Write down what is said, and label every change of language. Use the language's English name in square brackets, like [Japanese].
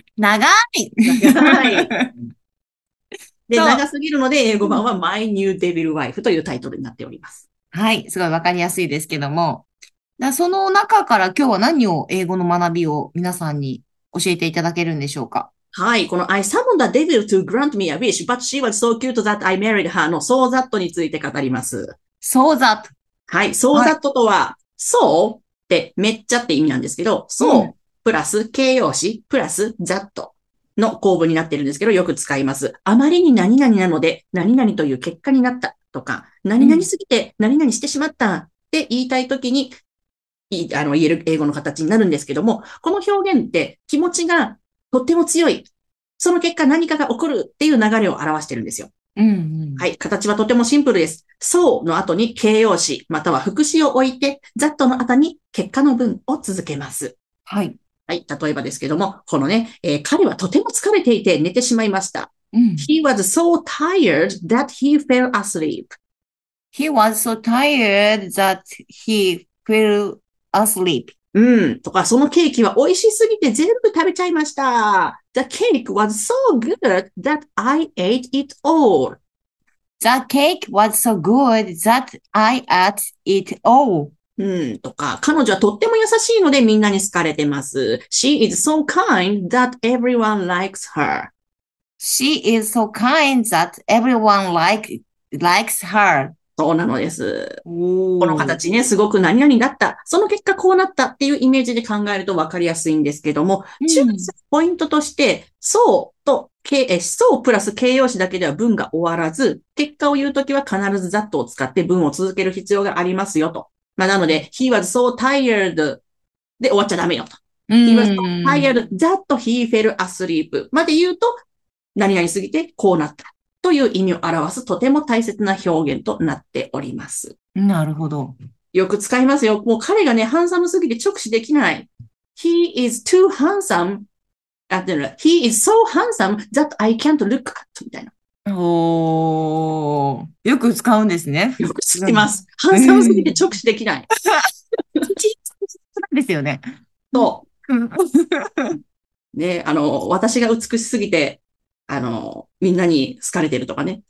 [Japanese] 長い。で、長すぎるので英語版は My New Devil Wife というタイトルになっております。はい、すごいわかりやすいですけども、だその中から今日は何を、英語の学びを皆さんに教えていただけるんでしょうか。 [English] はい、この I summoned a devil to grant me a wish, but she was so cute that I married her の so that [Japanese] について語ります。 [English] so that、 [Japanese] はい、 so that とは、はい、so ってめっちゃって意味なんですけど、うん、so プラス形容詞プラス that の構文になってるんですけど、よく使います。あまりに何々なので何々という結果になったとか、何々すぎて何々してしまったって言いたいときに、うん、言える英語の形になるんですけども、この表現って気持ちがとっても強い、その結果何かが起こるっていう流れを表してるんですよ、うんうん、はい、形はとてもシンプルです。so の後に形容詞または副詞を置いて、 that の後に結果の文を続けます。はい、はい、例えばですけども、このね、彼はとても疲れていて寝てしまいました。 [English] He was so tired that he fell asleep. He was so tired that he fell asleep. [Japanese] うん。とか、そのケーキは美味しすぎて全部食べちゃいました。 [English] The cake was so good that I ate it all. The cake was so good that I ate it all. [Japanese] うん。とか、彼女はとっても優しいのでみんなに好かれてます。 [English] She is so kind that everyone likes her. She is so kind that everyone likes her. [Japanese] そうなのです。この形ね、すごく何々だった。その結果こうなったっていうイメージで考えると分かりやすいんですけども、注意するポイントとして、そうと、そうプラス形容詞だけでは文が終わらず、結果を言うときは必ず that を使って文を続ける必要がありますよと。まあ、なので、 [English] he was so tired [Japanese] で終わっちゃダメよと。 [English] he was so tired that he fell asleep [Japanese] まで言うと、何々すぎてこうなったという意味を表すとても大切な表現となっております。なるほど。よく使いますよ。もう彼がね、ハンサムすぎて直視できない。 [English] He is too handsome. He is so handsome that I can't look at. [Japanese] みたいな。おー。よく使うんですね。よく使います。ハンサムすぎて直視できない。そうなんですよね。そう。ね、私が美しすぎて、みんなに好かれてるとかね。